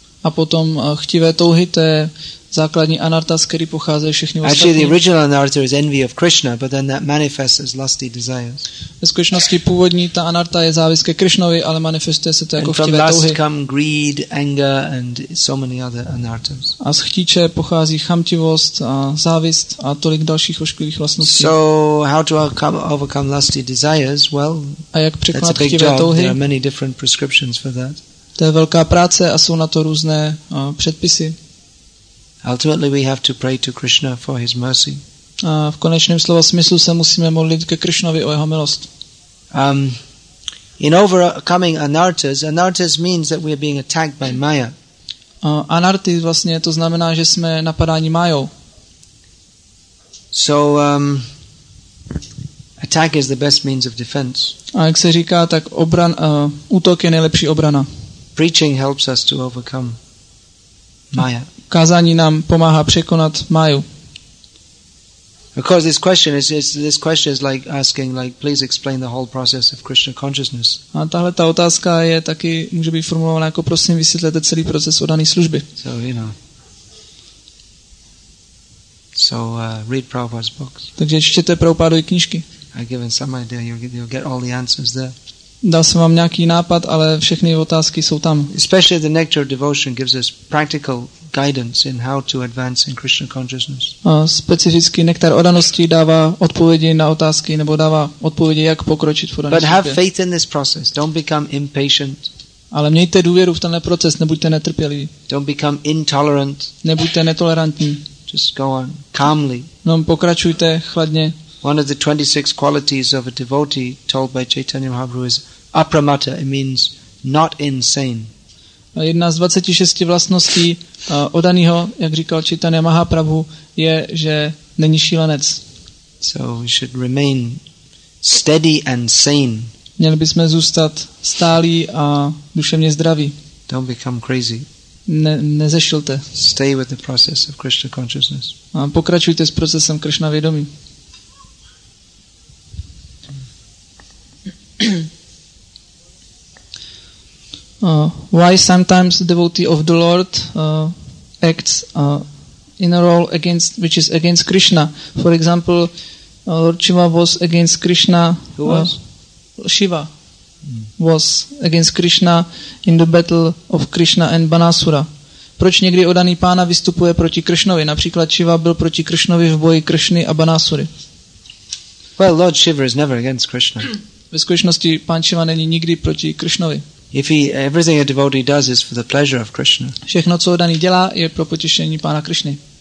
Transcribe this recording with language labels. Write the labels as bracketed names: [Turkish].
[Czech] A potom chtivé touhy, to je základní anarta, z který pocházejí všichni ostatní. [English] Actually, the original anarta is envy of Krishna, but then that manifests as lusty desires. [Czech] Ve skutečnosti původní ta anarta je závist ke Krishnovi, ale manifestuje se to jako chtivé touhy. [English] And from lust come greed, anger and so many other anartas. [Czech] A z chtíče pochází chamtivost a závist a tolik dalších ošklivých vlastností. [English] So how to overcome lusty desires? Well, [Czech] a jak překonat chtivé touhy? [English] There are many different prescriptions for that. [Czech] To je velká práce a jsou na to různé předpisy. [English] Ultimately we have to pray to Krishna for his mercy. [Czech] A v konečném slova smyslu se musíme modlit ke Krishnovi o jeho milost. [English] In overcoming anartas means that we are being attacked by Maya. [Czech] Anarty vlastně to znamená, že jsme napadáni Mayou. [English] So attack is the best means of defense. [Czech] A jak se říká, tak útok je nejlepší obrana. [English] Preaching helps us to overcome Maya. [Czech] Kázání nám pomáhá překonat Maju. [English] Of course, this question is like asking, like, please explain the whole process of Krishna consciousness. [Czech] A tahle ta otázka je taky může být formulována jako prosím vysvětlete celý proces oddané služby. [English] So you know. So read Prabhupada's books. [Czech] Takže čtěte Prabhupádovy knížky. [English] I've given some idea. You'll get all the answers there. [Czech] Dal jsem vám nějaký nápad, ale všechny otázky jsou tam. [English] Especially the nectar of devotion gives us practical guidance in how to advance in Krishna consciousness. [Czech] A specificky nektar odanosti dává odpovědi na otázky nebo dává odpovědi, jak pokročit v odanosti. [English] But have faith in this process. Don't become impatient. [Czech] Ale mějte důvěru v tenhle proces, nebuďte netrpěliví. [English] Don't become intolerant. [Czech] Nebuďte netolerantní. [English] Just go on calmly. [Czech] No, pokračujte chladně. [English] One of the 26 qualities of a devotee told by Chaitanya Mahaprabhu is apramatta. It means not insane. [Czech] Jedna z 26 vlastností odaného, jak říkal Chaitanya Mahaprabhu, je, že není šílenec. [English] So we should remain steady and sane. [Czech] Měli bychom zůstat stálí a duševně zdraví. [English] Don't become crazy. [Czech] Nezešilte. [English] Stay with the process of Krishna consciousness. [Czech] A pokračujte s procesem Krishna vědomí. [English] Why sometimes devotee of the Lord acts in a role against, which is against Krishna? For example, Lord Shiva was against Krishna. Shiva was against Krishna in the battle of Krishna and Banasura. [Czech] Proč někdy odaný pána vystupuje proti Krishnovi? Například Shiva byl proti Krishnovi v boji Krishny a Banasury. [English] Well, Lord Shiva is never against Krishna. [Czech] Ve skutečnosti pán Shiva není nikdy proti Krishnovi. [English] If he, everything a devotee does is for the pleasure of Krishna. [Czech] Všechno, co odaný dělá, je pro potěšení pána Krishny.